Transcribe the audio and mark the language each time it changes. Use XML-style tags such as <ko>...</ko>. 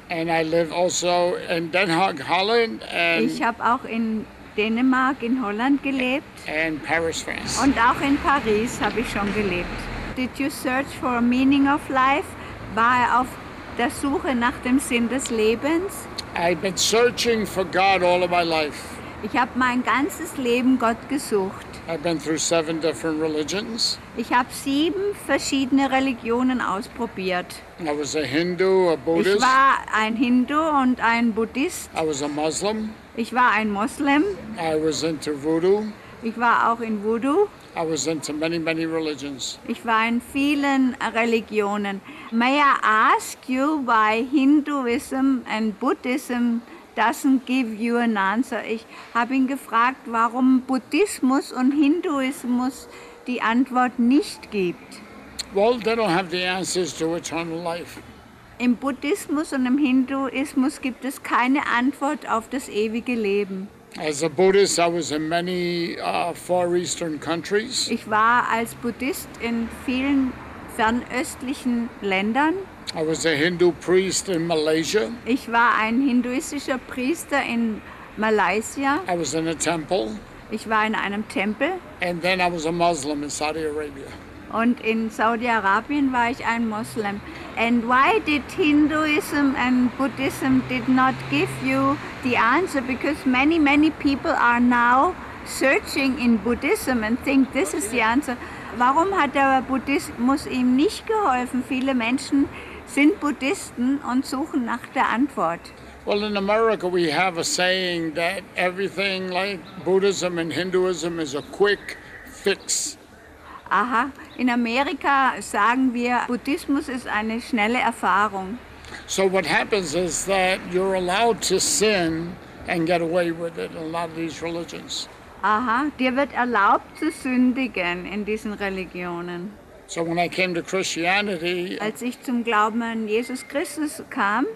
<en>And I live also in Den Haag, Holland. And</en> <de>ich habe auch in Dänemark, in Holland gelebt.</de> <en>And Paris, France.</en> <de>Und auch in Paris habe ich schon gelebt.</de> <en>Did you search for a meaning of life?</en> <de>War er auf der Suche nach dem Sinn des Lebens?</de> <en>I've been searching for God all of my life.</en> <de>Ich habe mein ganzes Leben Gott gesucht.</de> <en>I've been through 7 different religions.</en> <de>Ich habe 7 verschiedene Religionen ausprobiert.</de> <en>I was a Hindu, a Buddhist.</en> <de>Ich war ein Hindu und ein Buddhist.</de> <en>I was a Muslim.</en> <de>Ich war ein Moslem.</de> <en>I was into Voodoo.</en> <de>Ich war auch in Voodoo.</de> <en>I was into many, many religions.</en> <de>Ich war in vielen Religionen.</de> <en>May I ask you why Hinduism and Buddhism doesn't give you an answer?</en> <de>Ich habe ihn gefragt, warum Buddhismus und Hinduismus die Antwort nicht gibt.</de> <en>Well, they don't have the answers to eternal life.</en> <de>Im Buddhismus und im Hinduismus gibt es keine Antwort auf das ewige Leben.</de> <en>As a Buddhist, I was in many far eastern countries.</en> <de>Ich war als Buddhist in vielen fernöstlichen Ländern.</de> <en>I was a Hindu priest in Malaysia.</en> <de>Ich war ein hinduistischer Priester in Malaysia.</de> <en>I was in a temple.</en> <de>Ich war in einem Tempel.</de> <en>And then I was a Muslim in Saudi Arabia.</en> <de>Und in Saudi-Arabien war ich ein Muslim.</de> <en>And why did Hinduism and Buddhism did not give you the answer? Because many, many people are now searching in Buddhism and think this is the answer.</en> <de>Warum hat der Buddhismus ihm nicht geholfen? Viele Menschen sind Buddhisten und suchen nach der Antwort.</de> <en>Well, in America we have a saying that everything like Buddhism and Hinduism is a quick fix.</en> <de>Aha, in Amerika sagen wir, Buddhismus ist eine schnelle Erfahrung.</de> <en>So what happens is that you're allowed to sin and get away with it in a lot of these religions.</en> <de>Aha, dir wird erlaubt zu sündigen in diesen Religionen.</de> <en>So when I came to Christianity,</en> <de>als ich zum Glauben an Jesus Christus kam,</de>